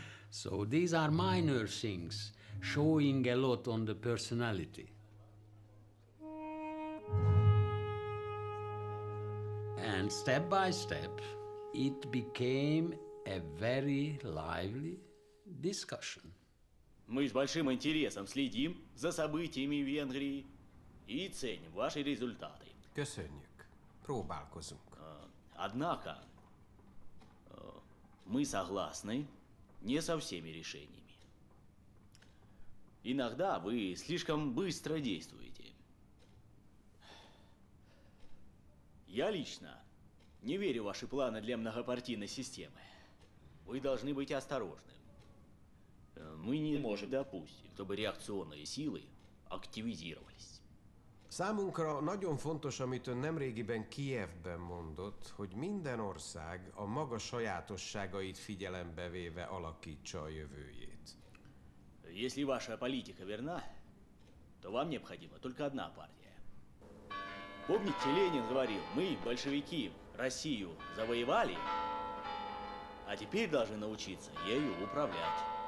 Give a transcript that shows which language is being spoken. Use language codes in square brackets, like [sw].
[en] So these are minor things, showing a lot on the personality. And step by step, it became a very lively discussion. [ru] Мы с большим интересом следим за событиями в Венгрии и ценим ваши результаты. [hu] Köszönjük. Próbálkozunk. [ru] Однако, мы согласны не со всеми решениями. Иногда вы слишком быстро действуете. Я лично не верю в ваши планы для многопартийной системы. Вы должны быть осторожны. Мы не можем допустить, чтобы реакционные силы активизировались. [hu] Számunkra nagyon fontos, amit ön nemrégiben Kijevben mondott, hogy minden ország a maga sajátosságait figyelembe véve alakítsa a jövőjét. [ru] Если ваша политика верна, то вам необходима только одна партия. Помните, Ленин говорил: мы, большевики, Россию завоевали, а теперь должны научиться ею управлять.